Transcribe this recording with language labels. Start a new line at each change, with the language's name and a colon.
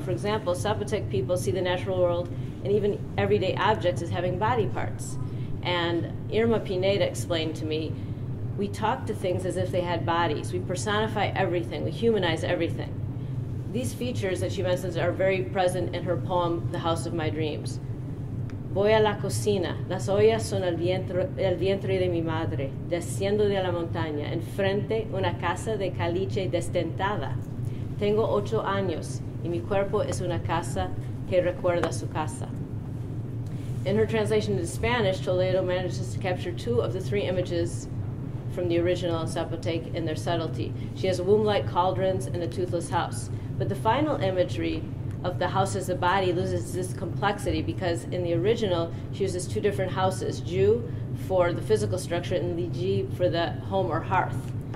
English: For example, Zapotec people see the natural world and even everyday objects as having body parts. And Irma Pineda explained to me, we talk to things as if they had bodies. We personify everything. We humanize everything. These features that she mentions are very present in her poem, The House of My Dreams.
Spanish: Voy a la cocina, las ollas son el vientre de mi madre, desciendo de la montaña, enfrente una casa de caliche destentada. Tengo 8 años, y mi cuerpo es una casa que recuerda su casa.
English: In her translation into Spanish, Toledo manages to capture 2 of the 3 images from the original Zapotec in their subtlety. She has womb-like cauldrons and a toothless house. But the final imagery of the house as a body loses this complexity because in the original she uses 2 different houses, Ju for the physical structure and Liji for the home or hearth.